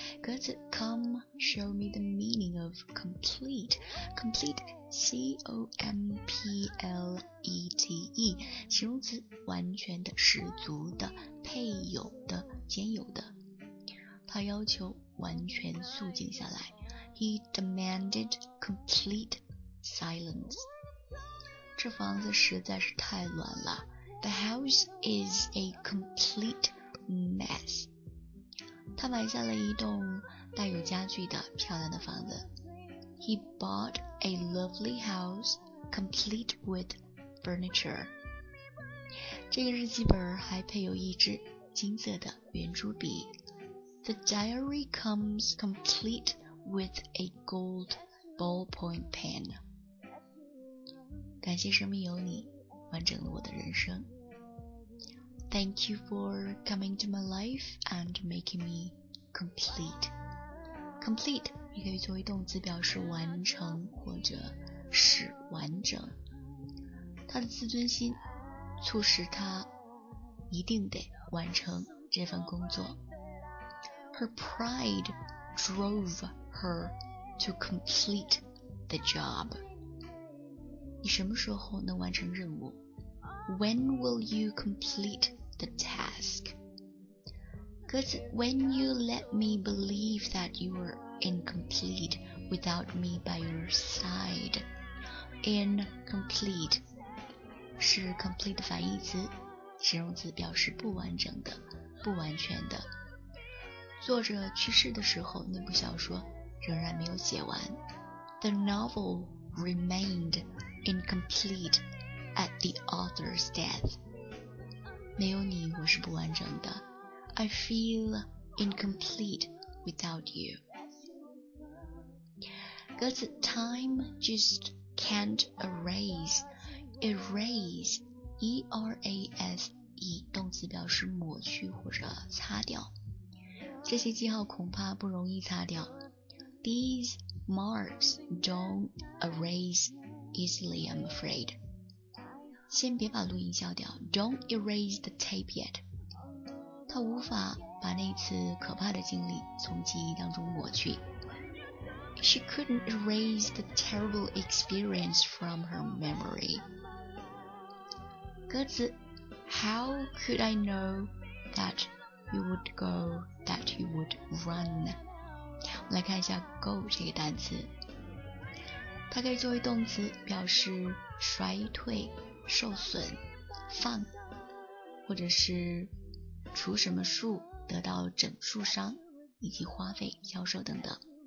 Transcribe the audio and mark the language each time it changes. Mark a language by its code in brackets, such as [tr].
[en] 歌词 Come show me the meaning of complete. Complete, C-O-M-P-L-E-T-E. [zh] 形容词完全的、十足的、配有的、兼有的。他要求完全肃静下来。 [en] He demanded complete silence. [zh] 这房子实在是太乱了。 [en] The house is a complete mess. [zh] 他买下了一栋带有家具的漂亮的房子。 [en] He bought a lovely house complete with furniture. [zh] 这个日记本还配有一支金色的圆珠笔。 [en] The diary comes complete with a gold ballpoint pen. [zh] 感谢生命有你，完整了我的人生。 [en] Thank you for coming to my life and making me complete. [zh] Complete 也可以作为动词表示完成或者使完整。他的自尊心促使他一定得完成这份工作。 [en] Her pride drove her to complete the job. [zh] 你什么时候能完成任务？ [en] When will you complete the task? 歌词 When you let me believe that you are incomplete without me by your side. [zh] Incomplete 是 complete 的反义词，形容词表示不完整的、不完全的。作者去世的时候，那部小说仍然没有写完。 [en] The novel remained incomplete at the author's death. [zh] 没有你，我是不完整的。 [en] I feel incomplete without you. 歌词 Time just can't erase. [zh] Erase, E-R-A-S-E, 动词表示抹去或者擦掉。这些记号恐怕不容易擦掉。 [en] These marks don't erase easily, I'm afraid. [zh] 先别把录音消掉。 [en] Don't erase the tape yet. [zh] 他无法把那次可怕的经历从记忆当中抹去。 [en] She couldn't erase the terrible experience from her memory. 歌词 How could I know that you would go? That you would run. [zh] 来看一下 go 这个单词，它可以作为动词表示衰退、受损、放，或者是除什么树得到整树伤，以及花费、销售等等。